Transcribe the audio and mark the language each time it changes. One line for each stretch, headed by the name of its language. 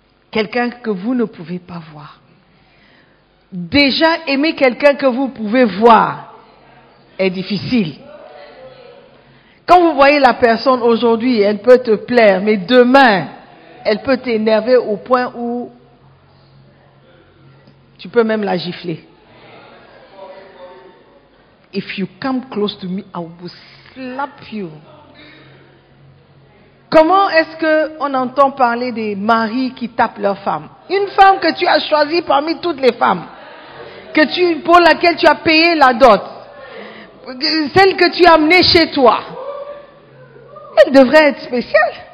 French: Quelqu'un que vous ne pouvez pas voir. Déjà, aimer quelqu'un que vous pouvez voir est difficile. Quand vous voyez la personne aujourd'hui, elle peut te plaire, mais demain, elle peut t'énerver au point où tu peux même la gifler.
English: If you come close to me, I will slap you.
French: Comment est-ce qu'on entend parler des maris qui tapent leur femme? Une femme que tu as choisie parmi toutes les femmes, pour laquelle tu as payé la dot, celle que tu as amenée chez toi, elle devrait être spéciale.